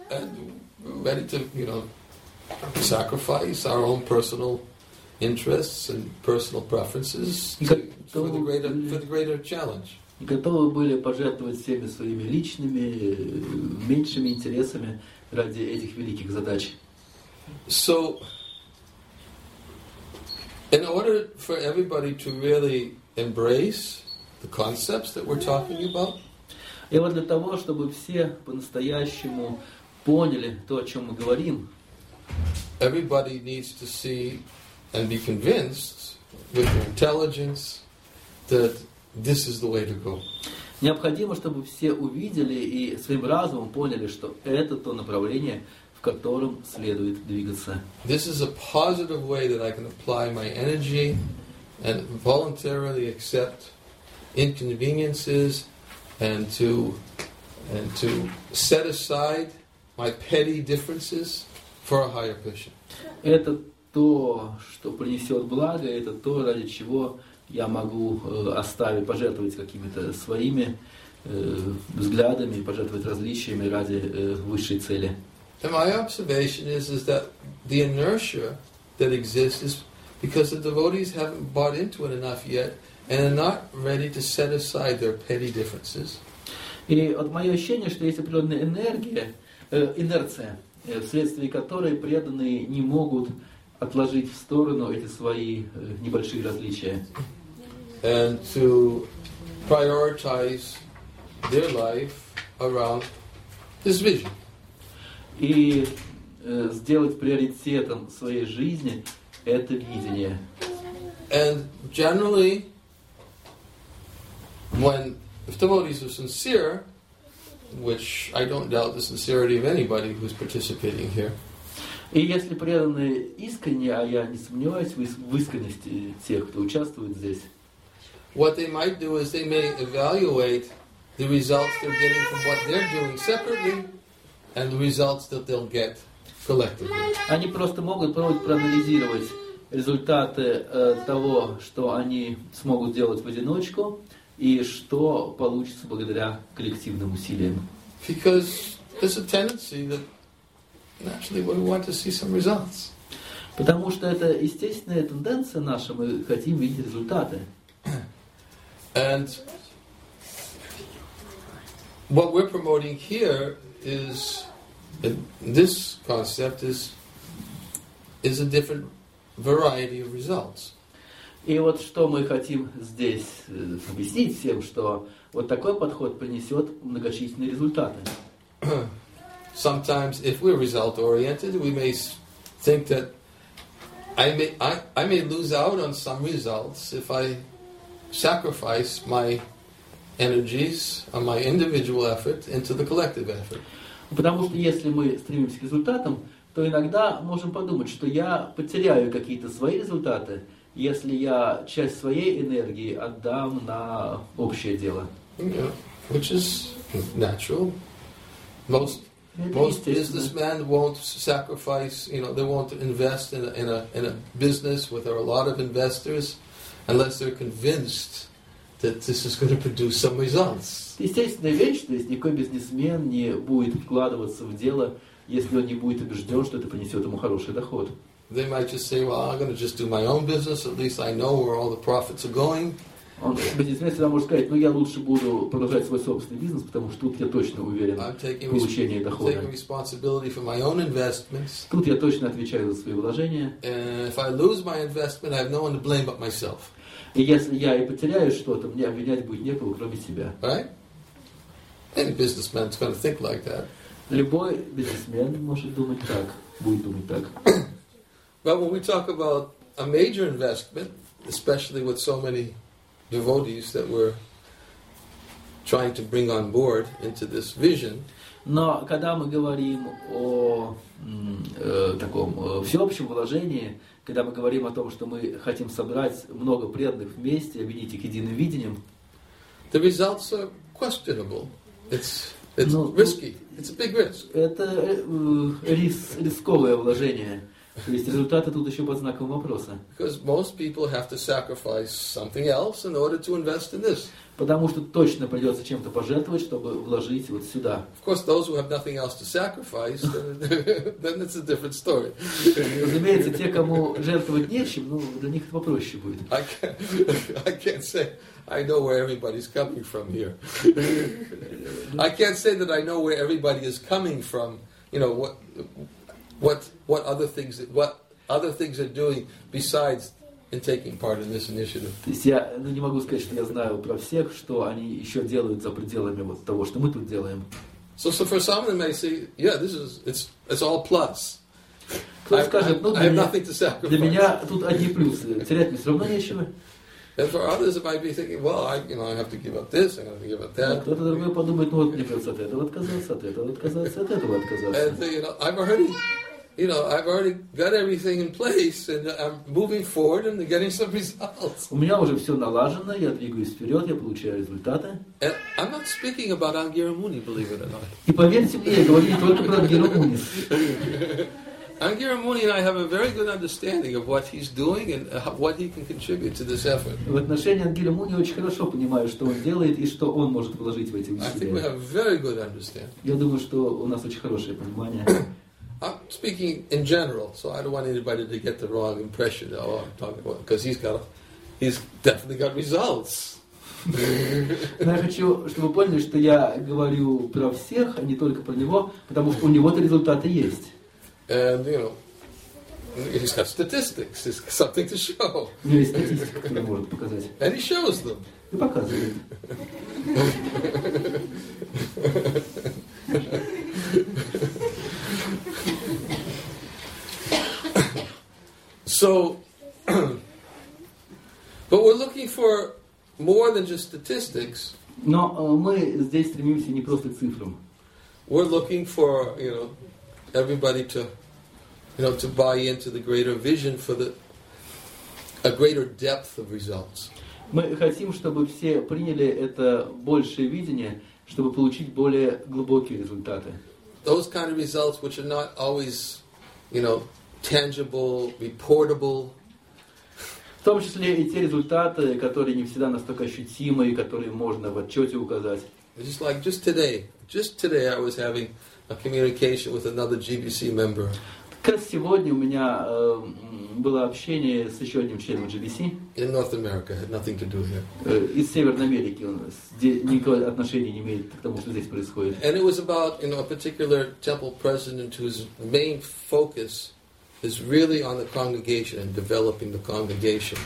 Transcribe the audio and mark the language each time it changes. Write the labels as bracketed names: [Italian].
[English] And ready to, you know, sacrifice our own personal interests and personal preferences for the greater challenge. [Russian] Готовы были пожертвовать всеми своими личными меньшими интересами ради этих великих задач. [English] So, in order for everybody to really embrace the concepts that we're talking about, [Russian] и вот для того, чтобы все по-настоящему поняли то, о чем мы говорим, [English] everybody needs to see and be convinced with your intelligence that this is the way to go. [Russian] Необходимо, чтобы все увидели и своим разумом поняли, что это то направление, в котором следует двигаться. [English] This is a positive way that I can apply my energy and voluntarily accept inconveniences and to set aside my petty differences for a higher mission. [Russian] Это то, что принесет благо, это то, ради чего я могу оставить, пожертвовать какими-то своими взглядами, пожертвовать различиями ради высшей цели. [English] And my observation is that the inertia that exists is because the devotees haven't bought into it enough yet and are not ready to set aside their petty differences. [Russian] И вот мое ощущение, что есть определенная энергия, инерция, вследствие которой преданные не могут отложить в сторону эти свои небольшие различия. [English] And to prioritize their life around this vision. [Russian] И сделать приоритетом своей жизни это видение. [English] And generally, when if devotees are sincere, which I don't doubt the sincerity of anybody who's participating here. [Russian] И если преданные искренне, а я не сомневаюсь в искренности тех, кто участвует здесь. [English] What they might do is they may evaluate the results they're getting from what they're doing separately and the results that they'll get collectively. [Russian] Они просто могут проанализировать результаты того, что они смогут сделать в одиночку, и что получится благодаря коллективным усилиям. [English] Because there's a tendency that naturally we want to see some results. [Russian] Потому что это естественная тенденция наша, мы хотим видеть результаты. [English] And what we're promoting here is this concept is a different variety of results. [Russian] И вот что мы хотим здесь объяснить всем, что вот такой подход принесет многочисленные результаты. [English] Sometimes, if we're result-oriented, we may think that I may lose out on some results if I sacrifice my energies or my individual effort into the collective effort. [Russian] Потому что если мы стремимся к результатам, то иногда можем подумать, что я потеряю какие-то свои результаты, если я часть своей энергии отдам на общее дело. [English] Yeah, which is natural. Most businessmen won't sacrifice, you know, they won't invest in a business where there are a lot of investors unless they're convinced that this is going to produce some results. [Russian] Естественно, вечно, то есть никакой бизнесмен не будет вкладываться в дело, если он не будет убежден, что это принесет ему хороший доход. [English] They might just say, well, I'm going to just do my own business, at least I know where all the profits are going. [Russian] Он бизнесмен всегда может сказать, ну я лучше буду продолжать свой собственный бизнес, потому что тут я точно уверен в получении дохода. [English] I'm taking responsibility for my own investments. [Russian] Тут я точно отвечаю за свои вложения. [English] And if I lose my investment, I have no one to blame but myself. [Russian] И если я и потеряю что-то, мне обвинять будет некого, кроме себя. [English] Right? Any businessman is going to think like that. [Russian] Любой бизнесмен может думать так, будет думать так. [English] But when we talk about a major investment, especially with so many devotees that we're trying to bring on board into this vision. [Russian] Но когда мы говорим о таком всеобщем вложении, когда мы говорим о том, что мы хотим собрать много преданных вместе, объединить их единым видением, [English] the results are questionable. It's risky. It's a big risk. [Russian] Это рисковое вложение. То есть результаты тут еще под знаком вопроса. [English] Because most people have to sacrifice something else in order to invest in this. [Russian] Потому что точно придется чем-то пожертвовать, чтобы вложить вот сюда. [English] Of course, those who have nothing else to sacrifice, then it's a different story. [Russian] Разумеется, те, кому жертвовать нечем, ну для них это попроще будет. [English] I can't say I know where everybody's coming from here. I can't say that I know where everybody is coming from. You know what? What other things are doing besides in taking part in this initiative? [Russian] То есть я не могу сказать, что я знаю про всех, что они еще делают за пределами вот того, что мы тут делаем. [English] So for some of them, they say, yeah, this is it's all plus. [Russian] Кто скажет, ну для меня тут одни плюсы. Терять мне все равно нечего. [English] And for others, it might be thinking, well, I have to give up this, I'm going to give up that. [Russian] Кто-то другой подумает, ну вот мне придется от этого отказаться, от этого отказаться, от этого отказаться. [English] And so, I've already got everything in place, and I'm moving forward and getting some results. [Russian] У меня уже все налажено, я двигаюсь вперед, я получаю результаты. [English] And I'm not speaking about Ангира Муни, believe it or not. [Russian] И поверьте мне, я говорю не только про Ангира Муни. [English] Ангира Муни and I have a very good understanding of what he's doing and what he can contribute to this effort. [Russian] В отношении Ангира Муни очень хорошо понимаю, что он делает и что он может вложить в эти усилия. [English] I think we have very good understanding. [Russian] Я думаю, что у нас очень хорошее понимание. [English] I'm speaking in general, so I don't want anybody to get the wrong impression. Oh, I'm talking about because he's definitely got results. [Russian] Но я хочу, чтобы вы поняли, что я говорю про всех, а не только про него, потому что у него-то результаты есть. [English] And you know, he's got statistics. He's got something to show. [Russian] У него есть статистика, которую он может показать. [English] And he shows them. [Russian] И показывает. [English] So. So, but we're looking for more than just statistics. [Russian] Но мы здесь стремимся не просто к цифрам. [English] We're looking for, you know, everybody to, you know, to buy into the greater vision for the a greater depth of results. [Russian] Мы хотим, чтобы все приняли это большее видение, чтобы получить более глубокие результаты. [English] Those kind of results which are not always, you know, tangible, reportable. [Russian] В том числе и те результаты, которые не всегда настолько ощутимы и которые можно в отчете указать. [English] Just like just today I was having a communication with another GBC member. [Russian] Как сегодня у меня было общение с еще одним членом GBC. [English] In North America, had nothing to do here. [Russian] Из Северной Америки у нас никакого отношения не имеет к тому, что здесь происходит. [English] And it was about, you know, a particular temple president whose main focus is really on the congregation and developing the congregation.